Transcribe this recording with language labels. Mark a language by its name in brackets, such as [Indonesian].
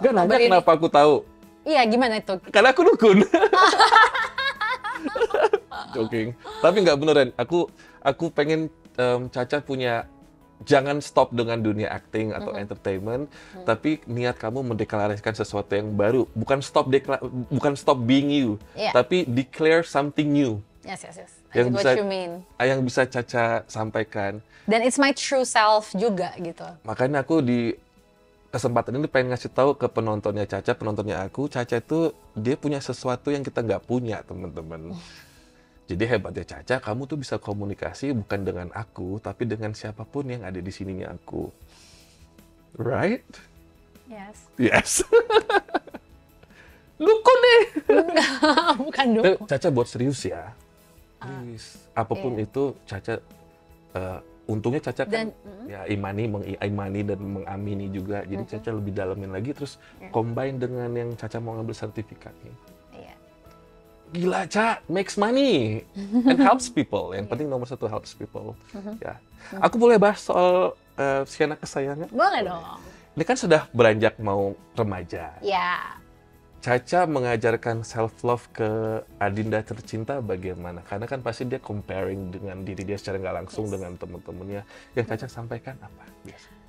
[Indonesian] Gak nanya kenapa aku tahu. Iya, gimana itu? Karena aku dukun. Joking. Tapi gak beneran. Aku pengen Caca punya, jangan stop dengan dunia acting atau entertainment, tapi niat kamu mendeklarasikan sesuatu yang baru. Bukan [English] stop being you, [Indonesian] tapi [English] declare something new. Yes. What you mean? [Indonesian] Yang bisa Caca sampaikan. [English] Then it's my true self [Indonesian] juga gitu. Makanya aku di kesempatan ini pengen ngasih tahu ke penontonnya Caca, penontonnya aku, Caca itu dia punya sesuatu yang kita nggak punya, teman-teman. Jadi hebatnya Caca, kamu tuh bisa komunikasi bukan dengan aku, tapi dengan siapapun yang ada di sininya aku. [English] Right? Yes. Yes. [Indonesian] Dukun nih. Bukan dukun. Caca buat serius ya. Please. Apapun itu, Caca, untungnya Caca kan dan, ya imani dan mengamini juga. Jadi Caca lebih dalamin lagi, terus combine dengan yang Caca mau ngambil sertifikatnya. Gila, [English] Ca, makes money and helps people. [Indonesian] Yang penting nomor satu [English] helps people. [Indonesian] Ya. Aku boleh bahas soal si anak kesayangan? Boleh dong. Ini kan sudah beranjak mau remaja. Ya. Caca mengajarkan self love ke adinda tercinta bagaimana? Karena kan pasti dia comparing dengan diri dia secara nggak langsung dengan teman-temannya. Yang Caca sampaikan apa? Biasa.